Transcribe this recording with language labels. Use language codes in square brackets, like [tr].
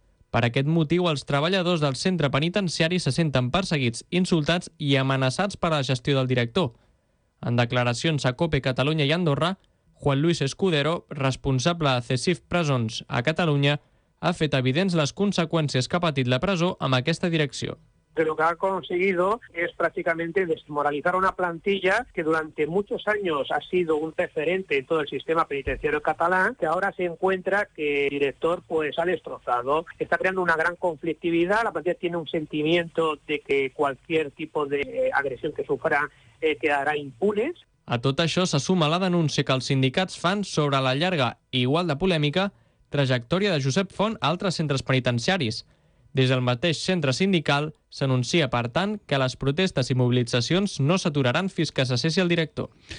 [ca] Per aquest motiu, els treballadors del centre penitenciari se senten perseguits, insultats i amenaçats per la gestió del director. En declaracions a COPE Catalunya i Andorra, Juan Luis Escudero, responsable de CSIF Presons a Catalunya, ha fet evidents les conseqüències que ha patit la presó amb aquesta direcció. [es] Lo que ha conseguido es prácticamente desmoralizar una plantilla que durante muchos años ha sido un referente en todo el sistema penitenciario catalán, que ahora se encuentra que el director pues ha destrozado. Está creando una gran conflictividad, la plantilla tiene un sentimiento de que cualquier tipo de agresión que sufra quedará impune. [ca] A tot això se suma la denúncia que els sindicats fan sobre la llarga i igual de polèmica trajectòria de Josep Font a altres centres penitenciaris. Des del mateix centre sindical s'anuncia, per tant, que les protestes i mobilitzacions no s'aturaran fins que cessi el director.